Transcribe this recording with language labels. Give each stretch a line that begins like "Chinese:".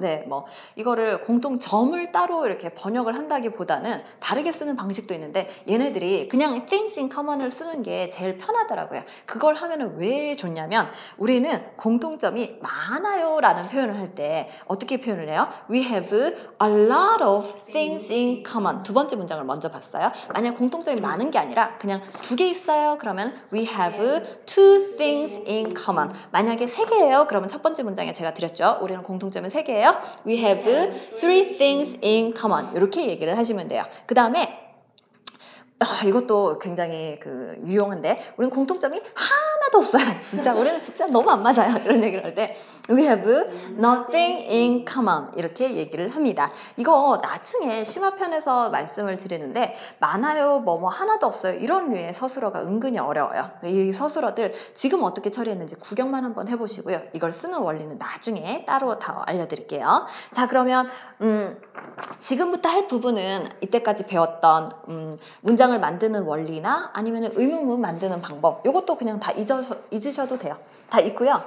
Korean: 네, 뭐 이거를 공통점을 따로 이렇게 번역을 한다기보다는 다르게 쓰는 방식도 있는데 얘네들이 그냥
English: things in common
Korean: 을 쓰는 게 제일 편하더라고요. 그걸 하면은 왜 좋냐면 우리는 공통점이 많아요라는 표현을 할 때 어떻게 표현을 해요?
English: We have a lot of things in common.
Korean: 두 번째 문장을 먼저 봤어요. 만약 공통점이 많은 게 아니라 그냥 두 개 있어요. 그러면
English: we have two things in common.
Korean: 만약에 세 개예요. 그러면 첫 번째 문장에 제가 드렸죠. 우리는 공통점이 세 개예요.
English: We have three things in common.
Korean: 이렇게 얘기를 하시면 돼요. 그 다음에 이것도 굉장히 유용한데 우리는 공통점이 하나도 없어요. 진짜 우리는 진짜 너무 안 맞아요. 이런 얘기를 할 때
English: We have nothing in common.
Korean: 이렇게 얘기를 합니다. 이거 나중에 심화편에서 말씀을 드리는데 많아요, 뭐뭐 하나도 없어요. 이런 류의 서술어가 은근히 어려워요. 이 서술어들 지금 어떻게 처리했는지 구경만 한번 해보시고요. 이걸 쓰는 원리는 나중에 따로 다 알려드릴게요. 자, 그러면 지금부터 할 부분은 이때까지 배웠던 문장을 만드는 원리나 아니면 의문문 만드는 방법, 이것도 그냥 다 잊으셔도 돼요. 다 있고요.